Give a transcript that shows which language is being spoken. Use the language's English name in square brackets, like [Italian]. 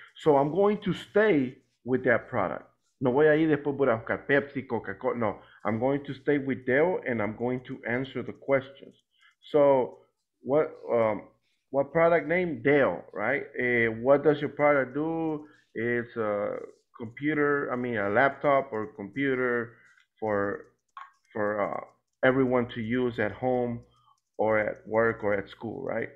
[English] So I'm going to stay with that product. [Spanish] No voy a ir después por Pepsi, Coca-Cola. [English] No, I'm going to stay with Dell and I'm going to answer the questions. So what product name? Dell, right? What does your product do? It's a computer, a laptop or computer for everyone to use at home or at work or at school, right?